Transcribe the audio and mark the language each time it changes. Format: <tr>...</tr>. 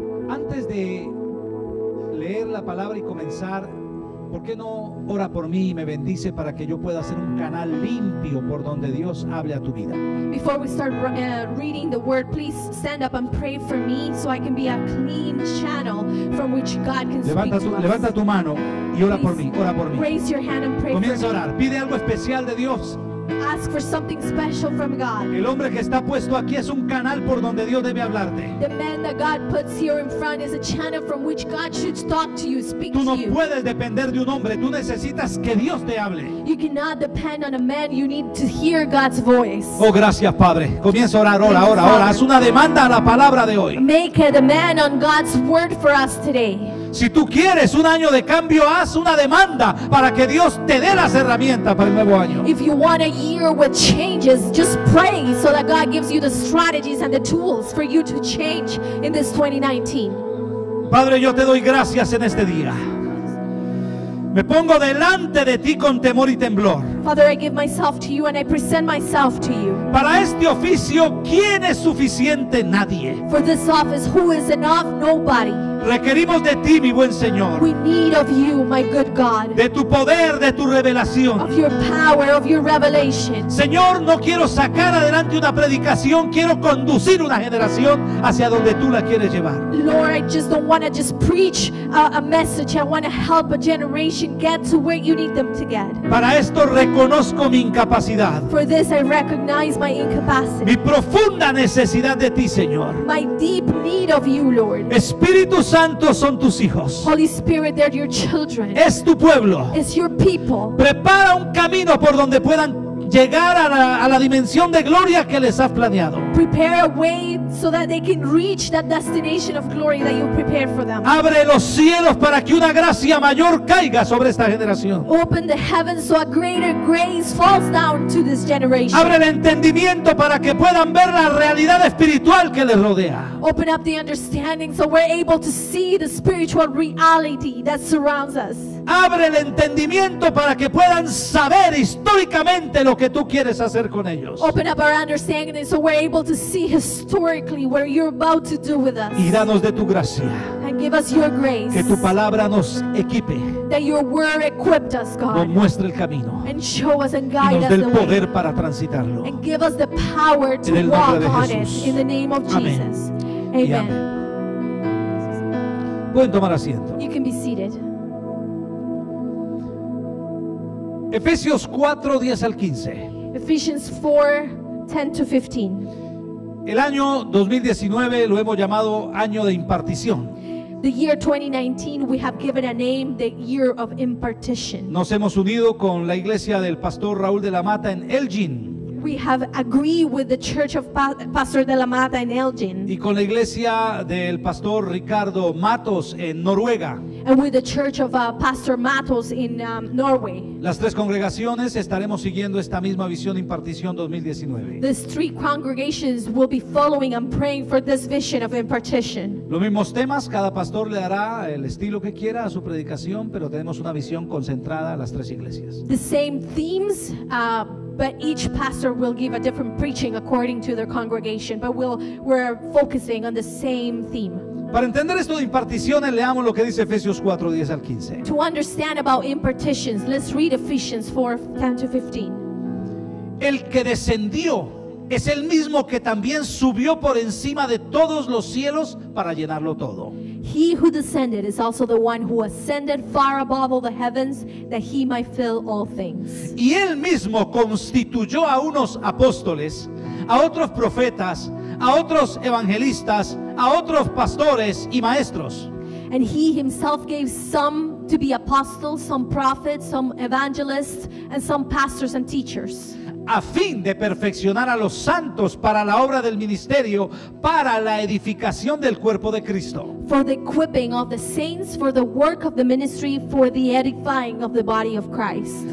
<es>Antes de leer la palabra y comenzar, ¿por qué no ora por mí y me bendice para que yo pueda ser un canal limpio por donde Dios hable a tu vida?</es> <en>Before we start reading the word, please stand up and pray for me so I can be a clean channel from which God can speak to us.</en> <es>Levanta tu mano y ora por mí, ora por mí.</es> <en>Raise your hand and pray.</en> <es>Comienza a orar, pide algo especial de Dios.</es> <en>Ask for something special from God.</en> <es>El hombre que está puesto aquí es un canal por donde Dios debe hablarte.</es> <en>The man that God puts here in front is a channel from which God should talk to you, speak to you.</en> <es>Tú no puedes depender de un hombre, tú necesitas que Dios te hable.</es> <en>You cannot depend on a man, you need to hear God's voice.</en> <es>Oh, gracias, Padre. Comienza a orar, ora, ora, ora. Haz una demanda a la palabra de hoy.</es> <en>Make a demand on God's word for us today.</en> <es>Si tú quieres un año de cambio, haz una demanda para que Dios te dé las herramientas para el nuevo año.</es> <en>If you want a year with changes, just pray so that God gives you the strategies and the tools for you to change in this 2019.</en> <es>Padre, yo te doy gracias en este día. Me pongo delante de ti con temor y temblor.</es> <en>Father, I give myself to you and I present myself to you.</en> <es>Para este oficio, ¿quién es suficiente? Nadie.</es> <en>For this office, who is enough? Nobody.</en> <es>Requerimos de ti, mi buen Señor.</es> <en>We need of you, my good God.</en> <es>De tu poder, de tu revelación.</es> <en>Of your power, of your revelation.</en> <es>Señor, no quiero sacar adelante una predicación, quiero conducir una generación hacia donde tú la quieres llevar.</es> <en>Lord, I just don't want to just preach a message. I want to help a generation get to where you need them to get.</en> <es>Para esto reconozco mi incapacidad.</es> <en>For this I recognize my incapacity.</en> <es>Mi profunda necesidad de ti, Señor.</es> <en>My deep need of you, Lord.</en> <es>Espíritu Santo, son tus hijos.</es> <en>Holy Spirit, they're your children.</en> <es>Es tu pueblo.</es> <en>It's your people.</en> <es>Prepara un camino por donde puedan llegar a la dimensión de gloria que les has planeado.</es> <en>Prepare a way so that they can reach that destination of glory that you prepared for them.</en> <es>Abre los cielos para que una gracia mayor caiga sobre esta generación.</es> <en>Open the heavens so a greater grace falls down to this generation.</en> <es>Abre el entendimiento para que puedan ver la realidad espiritual que les rodea.</es> <en>Open up the understanding so we're able to see the spiritual reality that surrounds us.</en> <es>Abre el entendimiento para que puedan saber históricamente lo que tú quieres hacer con ellos.</es> <en>Open up our understanding so we're able to see historically what you're about to do with us.</en> <es>Y danos de tu gracia.</es> <en>And give us your grace.</en> <es>Que tu palabra nos equipe.</es> <en>That your word equipped us, God.</en> <es>Nos muestre el camino.</es> <en>And show us and guide us.</en> <es>Y nos dé el poder para transitarlo.</es> <en>And give us the power to walk on it. In the name of Jesus.</en> <es>Amen. Pueden tomar asiento.</es> <en>You can be seated.</en> <es>Efesios 4, 10 al 15.</es> <en>Ephesians 4:10-15.</en> <es>El año 2019 lo hemos llamado año de impartición.</es> <en>The year 2019 we have given a name, the year of impartition.</en> <es>Nos hemos unido con la iglesia del pastor Raúl de la Mata en Elgin.</es> <en>We have agreed with the church of Pastor de la Mata in Elgin.</en> <es>Y con la iglesia del pastor Ricardo Matos en Noruega.</es> <en>And with the church of Pastor Matos in Norway.</en> <es>Las tres congregaciones estaremos siguiendo esta misma visión e impartición 2019.</es> <en>These three congregations will be following and praying for this vision of impartition.</en> <es>Los mismos temas, cada pastor le dará el estilo que quiera a su predicación, pero tenemos una visión concentrada a las tres iglesias.</es> <en>The same themes, but each pastor will give a different preaching according to their congregation, but we're focusing on the same theme.</en> <es>Para entender esto de imparticiones, leamos lo que dice Efesios 4, 10 al 15.</es> <en>To understand about impartitions, let's read Ephesians 4, 10 to 15.</en> <es>El que descendió es el mismo que también subió por encima de todos los cielos para llenarlo todo.</es> <en>He who descended is also the one who ascended far above all the heavens that he might fill all things.</en> <es>Y él mismo constituyó a unos apóstoles, a otros profetas, a otros evangelistas, a otros pastores y maestros.</es> <en>And he himself gave some to be apostles, some prophets, some evangelists, and some pastors and teachers.</en> <es>A fin de perfeccionar a los santos para la obra del ministerio, para la edificación del cuerpo de Cristo.</es> <en>For the equipping of the saints, for the work of the ministry, for the edifying of the body of Christ.</en>